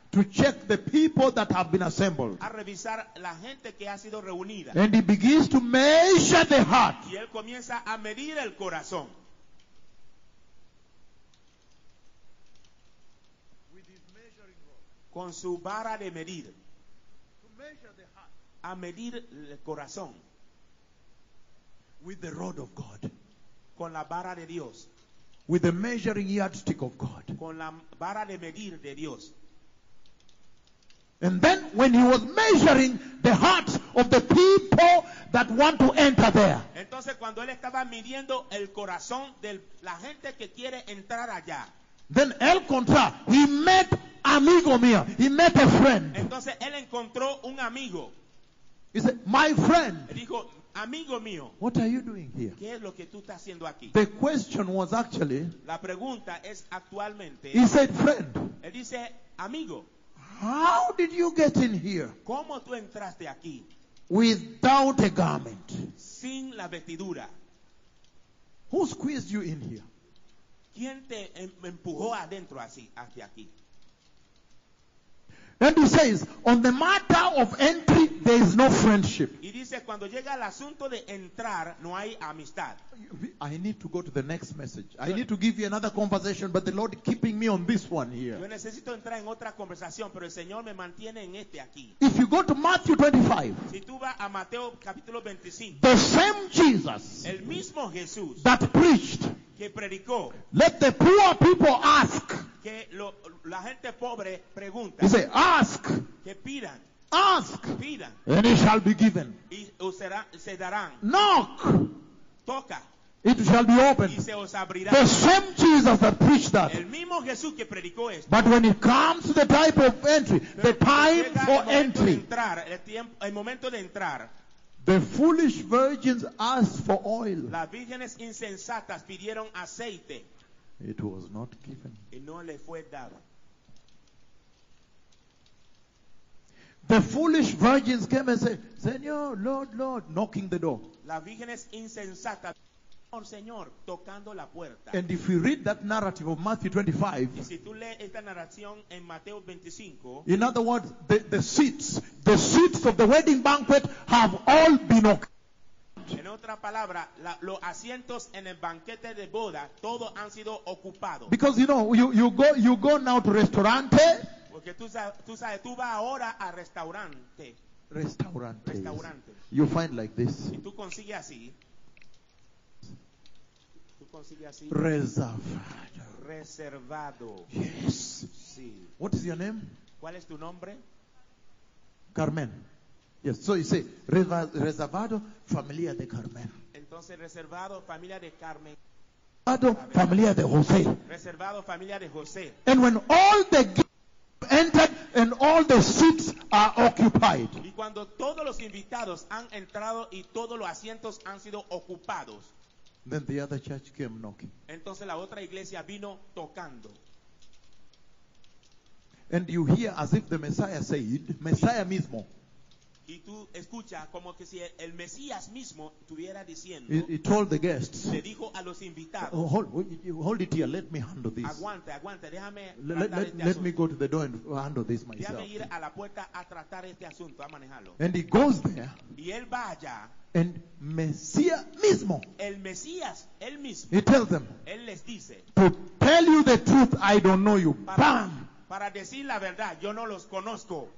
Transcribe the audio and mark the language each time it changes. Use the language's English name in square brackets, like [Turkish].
[English] To check the people that have been assembled. [Spanish] A revisar la gente que ha sido reunida. [English] And he begins to measure the heart. [Spanish] Y él comienza a medir el corazón. [English] With his measuring rod. [Spanish] Con su vara de medir. [English] To measure the heart. [Spanish] A medir el corazón. [English] With the rod of God. [Spanish] Con la vara de Dios. [English] With the measuring yardstick of God. [Spanish] Con la vara de medir de Dios. [English] And then when he was measuring the hearts of the people that want to enter there. [Spanish] Entonces cuando él estaba midiendo el corazón de la gente que quiere entrar allá. [English] Then [Spanish] el contra, [English] he met [Spanish] amigo mío. [English] He met a friend. [Spanish] Entonces él encontró un amigo. [English] He said, my friend. [Spanish] Dijo, amigo mío. [English] What are you doing here? [Spanish] ¿Qué es lo que tú estás haciendo aquí? [English] The question was actually. [Spanish] La pregunta es actualmente. [English] He said, friend. [Spanish] Él dice, amigo. [English] How did you get in here? [Spanish] ¿Cómo tú entraste aquí? [English] Without a garment. [Spanish] Sin la vestidura. [English] Who squeezed you in here? [Spanish] ¿Quién te empujó adentro así, hacia aquí? [English] And he says, on the matter of entry, there is no friendship. [Spanish] Y dice, cuando llega el asunto de entrar, no hay amistad. [English] I need to go to the next message. I need to give you another conversation, but the Lord keeping me on this one here. [Spanish] Yo necesito entrar en otra conversación, pero el Señor me mantiene en este aquí. [English] If you go to Matthew 25, [Spanish] si tú vas a Mateo capítulo 25, [English] the same Jesus, [Spanish] el mismo Jesús, [English] that preached, [Spanish] que predicó, [English] let the poor people ask. [Spanish] Que la gente pobre pregunta. [English] He said, ask. [Spanish] Que pidan. [English] Ask. [Spanish] Pidan. [English] And it shall be given. [Spanish] Y se darán. [English] Knock. [Spanish] Toca. [English] It shall be opened. [Spanish] Y se os abrirá. [English] The same Jesus that preached that. [Spanish] El mismo Jesús que predicó esto. [English] But when it comes to the type of entry, pero the time for entry. [Spanish] De entrar, el momento de entrar. [English] The foolish virgins asked for oil. [Spanish] Las vírgenes insensatas pidieron aceite. [English] It was not given. [Spanish] Y no le fue dado. [English] The foolish virgins came and said, Señor, Lord, Lord, knocking the door. [Spanish] La virgen es insensata. Señor, Señor, tocando la puerta. [English] And if you read that narrative of Matthew 25, [Spanish] y si tú lees esta narración en Mateo 25, [English] in other words, the seats of the wedding banquet have all been occupied. [Spanish] En otra palabra, los asientos en el banquete de boda, todos han sido ocupados. [English] Because you know, you go now to restaurante. [Spanish] Porque tú sabes, tú vas ahora a restaurante. Restaurante. Restaurante. [English] You find like this. [Spanish] Y tú consigues así. Reservado. Reservado. [English] Yes. [Spanish] Sí. [English] What is your name? [Spanish] ¿Cuál es tu nombre? [English] Carmen. Yes, so you say, [Spanish] reservado, familia de Carmen. Entonces, reservado, familia de Carmen. Reservado, familia de José. Reservado, familia de José. [English] And when all the guests entered and all the seats are occupied. [Spanish] Y cuando todos los invitados han entrado y todos los asientos han sido ocupados. [English] Then the other church came knocking. [Spanish] Entonces la otra iglesia vino tocando. [English] And you hear as if the Messiah said, Messiah mismo. [Spanish] Y tú escuchas como que si el Mesías mismo estuviera diciendo. [English] He told the guests. [Spanish] Le dijo a los invitados. [English] Oh, hold it here. Let me handle this. [Spanish] Aguanta, déjame. [English] Let me go to the door and handle this myself. [Spanish] Déjame ir a la puerta a tratar este asunto, a manejarlo. [English] And he goes there. [Spanish] Y él va allá. And Mesías mismo. El Mesías, él mismo. [English] He tells them. [Spanish] Él les dice. [English] To tell you the truth, I don't know you. Bam. [Spanish] Para decir la verdad, yo no los conozco.